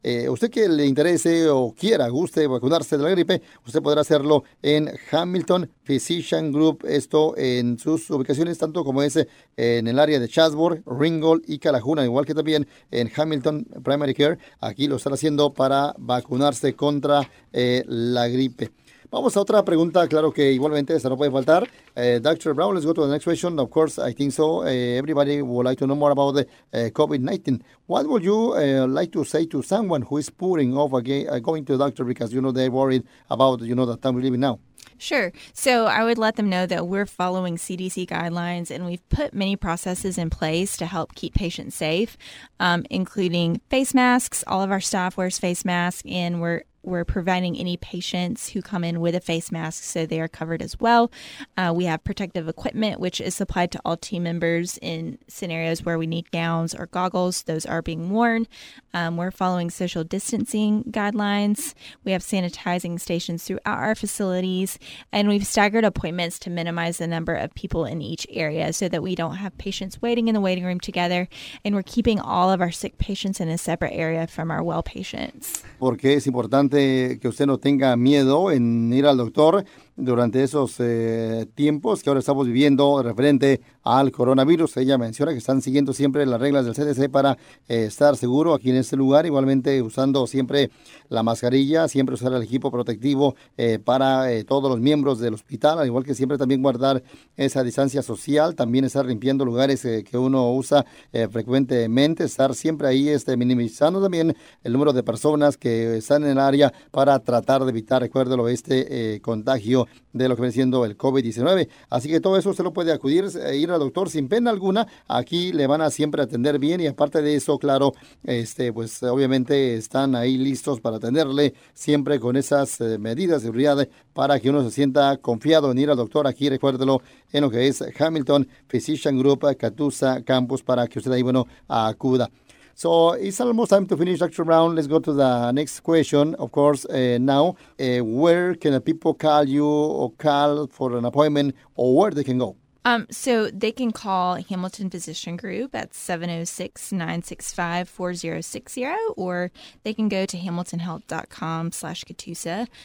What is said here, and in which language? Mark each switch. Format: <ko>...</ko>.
<es>Usted que le interese o quiera, guste vacunarse de la gripe, usted podrá hacerlo en Hamilton Physician Group, esto en sus ubicaciones, tanto como es en el área de Chatsworth, Ringgold y Calahuna, igual que también en Hamilton Primary Care. Aquí lo están haciendo para vacunarse contra la gripe. Vamos a otra pregunta, claro que igualmente esta no puede faltar.</es> <en>Dr. Brown, let's go to the next question. Of course, I think so. Everybody would like to know more about the COVID-19. What would you like to say to someone who is putting off again going to the doctor because, you know, they're worried about, you know, the time we live in now? Sure. So I would let them know that we're following CDC guidelines and we've put many processes in place to help keep patients safe, including face masks. All of our staff wears face masks and we're preventing any patients who come in with a face mask so they are covered as well. We have protective equipment, which is supplied to all team members in scenarios where we need gowns or goggles. Those are being worn. We're following social distancing guidelines. We have sanitizing stations throughout our facilities, and we've staggered appointments to minimize the number of people in each area so that we don't have patients waiting in the waiting room together, and we're keeping all of our sick patients in a separate area from our well patients.</en> <es>Porque es importante que usted no tenga miedo en ir al doctor durante esos tiempos que ahora estamos viviendo referente al coronavirus. Ella menciona que están siguiendo siempre las reglas del CDC para estar seguro aquí en este lugar, igualmente usando siempre la mascarilla, siempre usar el equipo protectivo para todos los miembros del hospital, al igual que siempre también guardar esa distancia social, también estar limpiando lugares que uno usa frecuentemente, estar siempre ahí minimizando también el número de personas que están en el área para tratar de evitar, recuérdelo, este contagio de lo que viene siendo el COVID-19. Así que todo eso usted lo puede acudir, ir al doctor sin pena alguna. Aquí le van a siempre atender bien y aparte de eso, claro, pues obviamente están ahí listos para atenderle siempre con esas medidas de seguridad para que uno se sienta confiado en ir al doctor aquí, recuérdelo, en lo que es Hamilton Physician Group, Catoosa Campus, para que usted ahí, bueno, acuda.</es> <en>So it's almost time to finish, Dr. Brown. Let's go to the next question. Of course, now, where can the people call you or call for an appointment or where they can go? So they can call Hamilton Physician Group at 706-965-4060, or they can go to hamiltonhealth.com/Catoosa.</en>